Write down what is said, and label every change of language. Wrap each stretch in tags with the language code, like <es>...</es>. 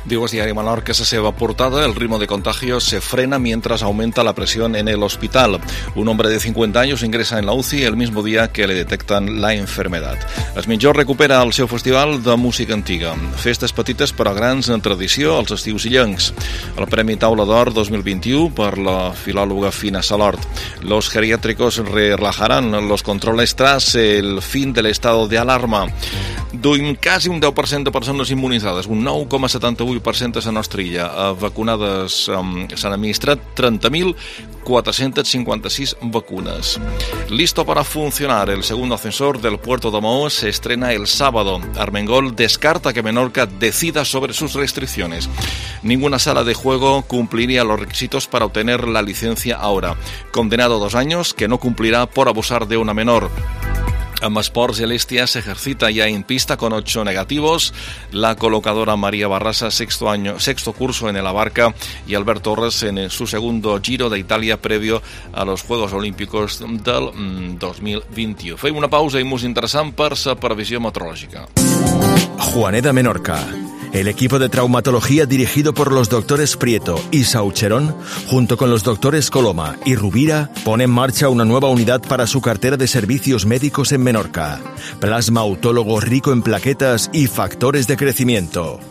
<ca>Diu el Diari Menorca, la seva portada,</ca> <es>el ritmo de contagio se frena mientras aumenta la presión en el hospital. Un hombre de 50 años ingresa en la UCI el mismo día que le detectan la enfermedad.</es> <ca>Es Mitjor recupera el seu festival de música antiga. Festes petites però grans en tradició als estius illencs. El Premi Taula d'Or 2021 per la filòloga Fina Salort.</ca> <es>Los geriátricos relajarán los controles tras el fin del estado de alarma.</es> <ca>Duim quasi un 10% de persones immunitzades, un 9,78% a la nostra illa. Vacunades s'han administrat 30.456 vacunes.</ca> <es>Listo para funcionar. El segundo ascensor del puerto de Mahó se estrena el sábado. Armengol descarta que Menorca decida sobre sus restricciones. Ninguna sala de juego cumpliría los requisitos para obtener la licencia ahora. Condenado a 2 años, que no cumplirá por abusar de una menor. En esports, Elestia se ejercita ya en pista con 8 negativos. La colocadora María Barrasa, sexto curso en el Abarca, y Albert Torres en su segundo Giro de Italia previo a los Juegos Olímpicos del 2021.</es> <ca>Fem una pausa i mos interessant per la previsió meteorològica. Juaneda Menorca.</ca> <es>El equipo de traumatología dirigido por los doctores Prieto y Saucherón, junto con los doctores Coloma y Rubira, pone en marcha una nueva unidad para su cartera de servicios médicos en Menorca. Plasma autólogo rico en plaquetas y factores de crecimiento.</es>